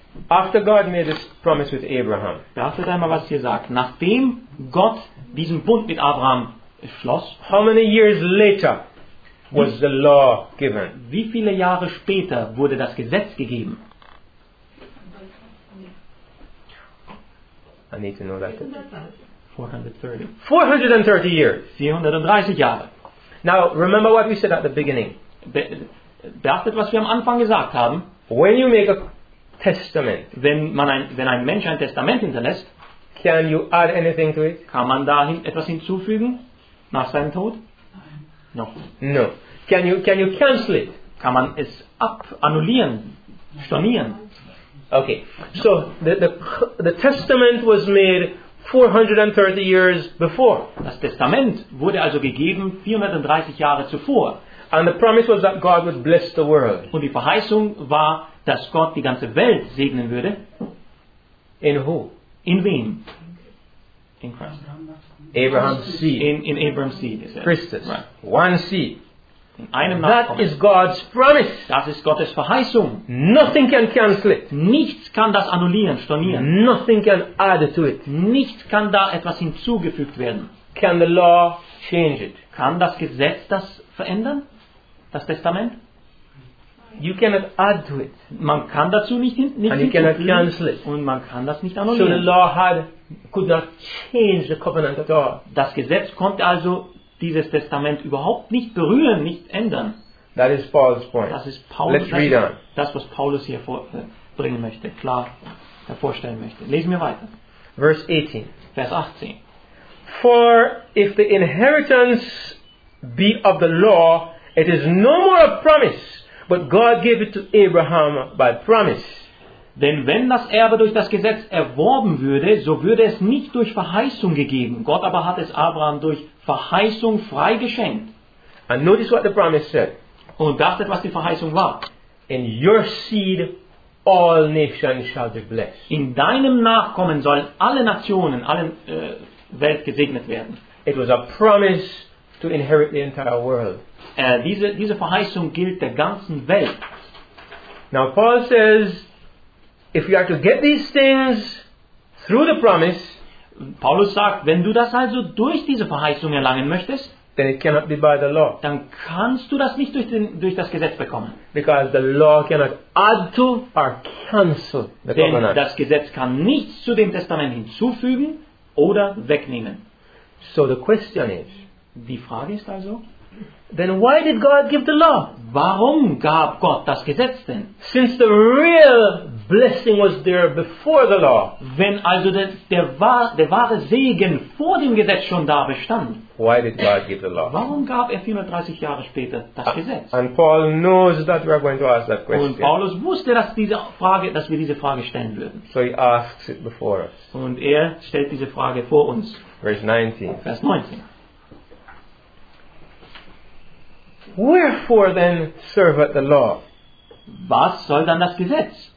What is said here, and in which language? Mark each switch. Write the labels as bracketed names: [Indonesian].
[English] After God made this promise with Abraham. [German] Beachtet einmal, was hier sagt. Nachdem Gott diesen Bund mit Abraham schloss. [English] How many years later was the law given? [German] Wie viele Jahre später wurde das Gesetz gegeben? [English] I need to know that. [German] 430 Jahre. [English] Now remember what we said at the beginning. [German] Beachtet, was wir am Anfang gesagt haben. [English] When you make a testament, [German] wenn ein Mensch ein Testament hinterlässt, [English] can you add anything to it? [German] Kann man dahin etwas hinzufügen nach seinem Tod? Nein. [English] No. No. Can you cancel it? [German] Kann man es annullieren, stornieren? [English] Okay. So the testament was made 430 years before. [German] Das Testament wurde also gegeben 430 Jahre zuvor. [English] And the promise was that God would bless the world. [German] Und die Verheißung war, dass Gott die ganze Welt segnen würde. [English] In who? [German] In wem? [English] In Christ. Abraham's seed. In Abraham's seed. [German] Christus. [English] Right. One seed. [German] In einem [English] that Nachkommen. Is God's promise. [German] Das ist Gottes Verheißung. [English] Nothing can cancel it. [German] Nichts kann das annullieren, stornieren. [English] Nothing can add to it. [German] Nichts kann da etwas hinzugefügt werden. [English] Can the law change it? [German] Kann das Gesetz das verändern? Das Testament? [English] You cannot add to it. [German] Man kann dazu nicht hinzufügen. [English] And you cannot cancel it. [German] Und man kann das nicht annullieren. [English] So the law could not change the covenant at all. [German] Das Gesetz konnte also dieses Testament überhaupt nicht berühren, nicht ändern. [English] That is Paul's point. [German] Das ist Paulus. [English] Let's read on. [German] Das, was Paulus hier vorbringen möchte, klar hervorstellen möchte. Lesen wir weiter. Vers 18. [English] For if the inheritance be of the law, it is no more a promise, but God gave it to Abraham by promise. [German] Denn wenn das Erbe durch das Gesetz erworben würde, so würde es nicht durch Verheißung gegeben. Gott aber hat es Abraham durch Verheißung frei geschenkt. [English] And notice what the promise said. [German] Und beachtet, was die Verheißung war. [English] In your seed all nations shall be blessed. [German] In deinem Nachkommen sollen alle Nationen, alle Welt gesegnet werden. [English] It was a promise to inherit the entire world. [German] Diese Verheißung gilt der ganzen Welt. [English] Now Paul says, if you are to get these things through the promise, [German] Paulus sagt, wenn du das also durch diese Verheißung erlangen möchtest, [English] then it cannot be by the law. [German] Dann kannst du das nicht durch das Gesetz bekommen. [English] Because the law cannot add to or cancel the [German] Denn [English] covenant. [German] Denn das Gesetz kann nichts zu dem Testament hinzufügen oder wegnehmen. [English] So the question is, [German] die Frage ist also, [English] then why did God give the law? [German] Warum gab Gott das Gesetz denn? [English] Since the real blessing was there before the law. [German] Wenn also der wahre Segen vor dem Gesetz schon da bestand. [English] Why did God give the law? [German] Warum gab 430 Jahre später das Gesetz? [English] And Paul knows that we are going to ask that question. [German] Und Paulus wusste, dass wir diese Frage stellen würden. [English] So he asks it before us. [German] Und er stellt diese Frage vor uns. Vers 19. [English] Wherefore then serveth the law? [German] Was soll dann das Gesetz?